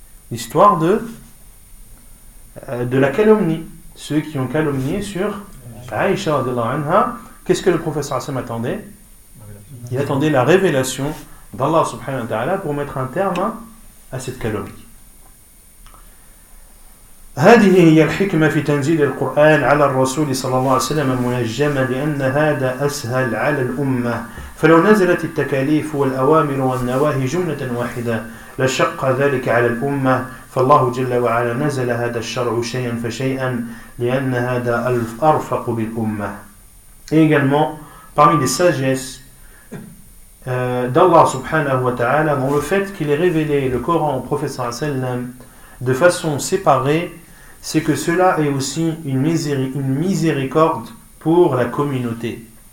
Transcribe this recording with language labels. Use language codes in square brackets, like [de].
[fr] L'histoire de la calomnie, ceux qui ont calomnié sur Aïcha radiallahu anha, Qu'est-ce que le professeur Assem attendait? Il attendait la révélation d'Allah subhanahu wa ta'ala pour mettre un terme à cette calomnie. [ar] هذه هي الحكمة في تنزيل القرآن على الرسول صلى الله عليه وسلم منجما لأن هذا أسهل على الأمة فلو نزلت التكاليف والأوامر والنواهي جملة واحدة لشق ذلك على الأمة فالله جل وعلا نزل هذا الشرع شيئا فشيئا لأن هذا أرفق بالأمة. [fr] Également, parmi les sagesses d'Allah subhanahu wa ta'ala dans le fait qu'il ait révélé le Coran au professeur sallam de façon séparée, c'est que cela est aussi une miséricorde pour la communauté.